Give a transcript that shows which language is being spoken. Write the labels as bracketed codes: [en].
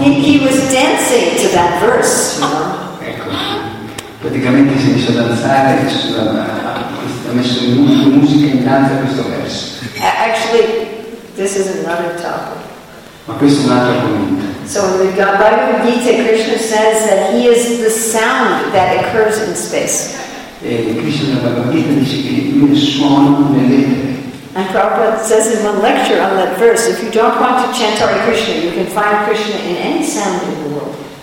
[en] He was dancing to that verse, you know. [it] Ecco, praticamente si è messo a danzare, ha messo in musica in danza questo verso. [en] Actually, this is another topic. [it] Ma questo è un altro argomento. [en] So in the Bhagavad Gita, Krishna says that he is the sound that occurs in space. And Prabhupada says in one lecture on that verse, if you don't want to chant Hare Krishna, you can find Krishna in any sound in the world.